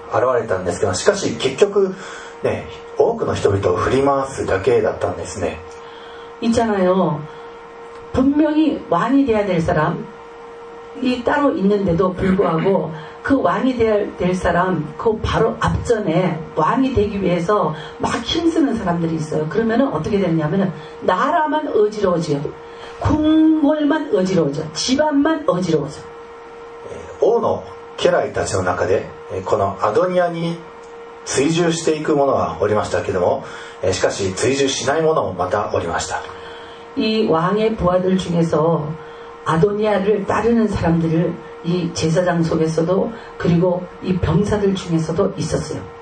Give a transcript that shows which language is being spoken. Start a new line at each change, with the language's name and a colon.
Japanese: 歴史的な指導者とか、この国の総理大臣とか、そういう人は現れたんですけど、しかし結局ね、 多くの人々を振り回すだけだったんですね。
Korean: 있잖아요. 분명히 왕이 되어야 될 사람이 따로 있는데도 불구하고 그 왕이 되어야 될 사람 그 바로 앞전에 왕이 되기 위해서 막 힘쓰는 사람들이 있어요. 그러면 어떻게 되냐면 나라만 어지러워져요. 궁궐만 어지러워져. 집안만 어지러워져.
Japanese: 왕의 家来たちの中で、このアドニアに 追従していくものはおりましたけども、しかし追従しないものもまたおりました。이
Korean: 왕의 부하들 중에서 아도니아를 따르는 사람들을 이 제사장 속에서도 그리고 이 병사들 중에서도 있었어요.